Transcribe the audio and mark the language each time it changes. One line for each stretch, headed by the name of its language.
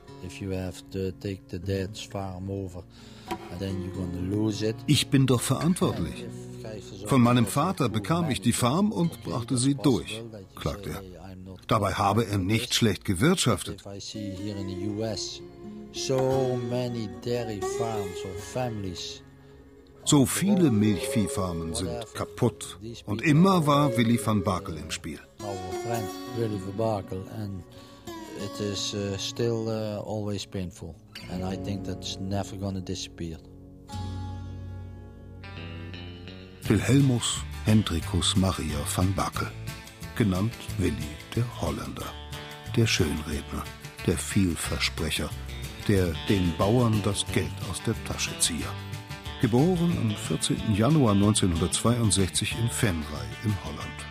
English: If you have to take the dad's farm over, then you're gonna lose it.
German: Ich bin doch verantwortlich. Von meinem Vater bekam ich die Farm und brachte sie durch, klagt er. Dabei habe er nicht schlecht gewirtschaftet.
English: If I see here in the US so many dairy farms or families.
German: So viele Milchviehfarmen sind kaputt. Und immer war Willi van Barkel im Spiel.
English: Our friend Willi van Barkel and it is still always painful and I think that's never gonna disappear.
German: Wilhelmus Hendrikus Maria van Barkel, genannt Willi der Holländer, der Schönredner, der Vielversprecher, der den Bauern das Geld aus der Tasche zieher. Geboren am 14. Januar 1962 in Venray in Holland.